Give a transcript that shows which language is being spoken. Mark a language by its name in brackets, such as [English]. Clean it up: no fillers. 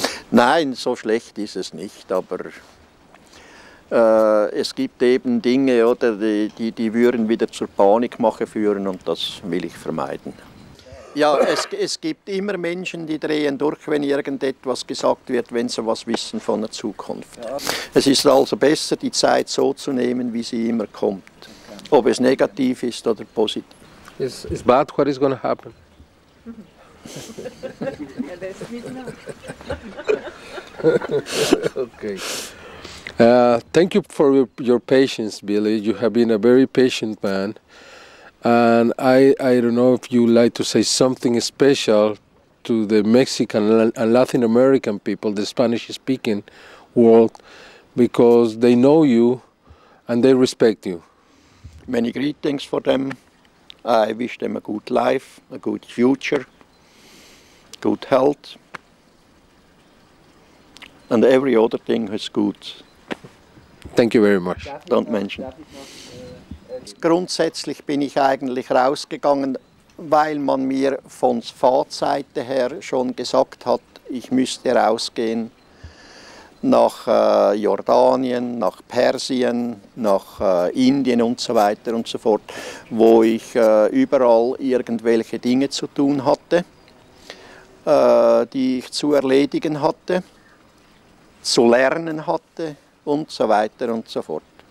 [German] Nein, so schlecht ist es nicht, aber es gibt eben Dinge, oder, die würden wieder zur Panikmache führen und das will ich vermeiden. Ja, es gibt immer Menschen, die drehen durch, wenn irgendetwas gesagt wird, wenn sie was wissen von der Zukunft. Es ist also besser, die Zeit so zu nehmen, wie sie immer kommt, ob es negativ ist oder positiv. [English] It's bad, what is going to happen? Okay. Thank you for your patience, Billy. You have been a very patient man. And I don't know if you like to say something special to the Mexican and Latin American people, the Spanish-speaking world, because they know you and they respect you. Many greetings for them. I wish them a good life, a good future, good health, and every other thing is good. Thank you very much. Don't mention. [German] Grundsätzlich bin ich eigentlich rausgegangen, weil man mir von Fahrtseite her schon gesagt hat, ich müsste rausgehen nach Jordanien, nach Persien, nach Indien und so weiter und so fort, wo ich überall irgendwelche Dinge zu tun hatte, die ich zu erledigen hatte, zu lernen hatte und so weiter und so fort.